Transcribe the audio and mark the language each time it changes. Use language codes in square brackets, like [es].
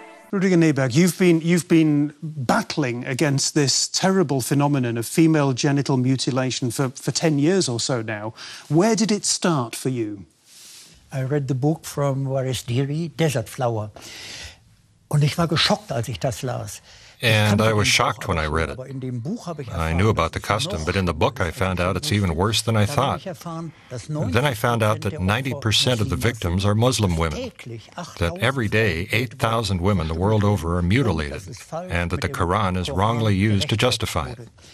[en] Rüdiger Nehberg, you've been battling against this terrible phenomenon of female genital mutilation for 10 years or so now. Where did it start for you? I read the book from Waris Diri, Desert Flower. [de] Und ich war geschockt, als ich das las. [en] And I was shocked when I read it. I knew about the custom, but in the book I found out it's even worse than I thought. Then I found out that 90% of the victims are Muslim women, that every day 8,000 women the world over are mutilated, and that the Quran is wrongly used to justify it.